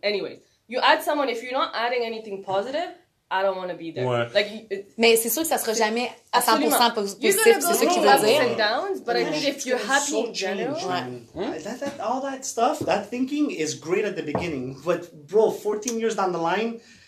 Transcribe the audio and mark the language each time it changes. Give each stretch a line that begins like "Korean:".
English: Anyways, you add someone, if you're not adding anything positive, I don't want to be there.
French: Ouais.
English: Like,
French: mais c'est sûr que ça sera jamais à 100% positif, c'est ce qu'il veut dire.
English: Ups and downs, but I think if you're happy in general... Change, all that stuff, that thinking is great at the beginning, but bro, 14 years down the line...